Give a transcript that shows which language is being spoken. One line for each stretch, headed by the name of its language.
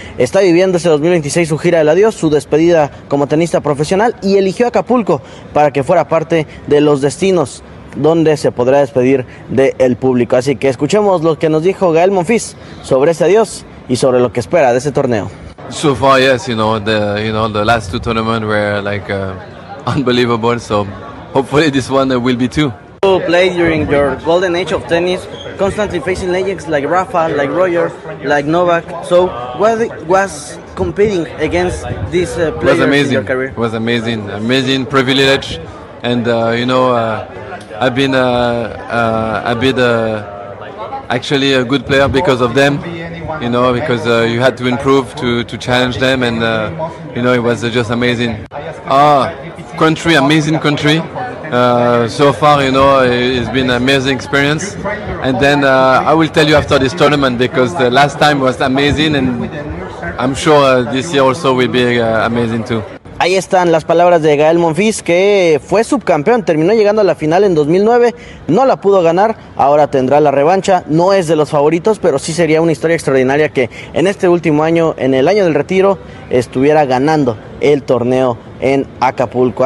Spanish: Está viviendo ese 2026 su gira del adiós, su despedida como tenista profesional, y eligió Acapulco para que fuera parte de los destinos donde se podrá despedir del público. Así que escuchemos lo que nos dijo Gael Monfils sobre ese adiós y sobre lo que espera de ese torneo.
English: So far, yes, the last two tournaments were like unbelievable, so hopefully this one will be too. You played during your golden age of tennis, constantly facing legends like Rafa, like Roger, like Novak. So what was competing against these players amazing. In your career? It was amazing. Amazing privilege. And, I've been a good player because of them, you know, because you had to improve to challenge them. And, it was just amazing. Country, amazing country. So far, it's been an amazing experience. And then I will tell you after this tournament, because the last time was amazing, and I'm sure this year also will be amazing too.
Spanish: Ahí están las palabras de Gael Monfils, que fue subcampeón, terminó llegando a la final en 2009, no la pudo ganar, ahora tendrá la revancha. No es de los favoritos, pero sí sería una historia extraordinaria que en este último año, en el año del retiro, estuviera ganando el torneo en Acapulco.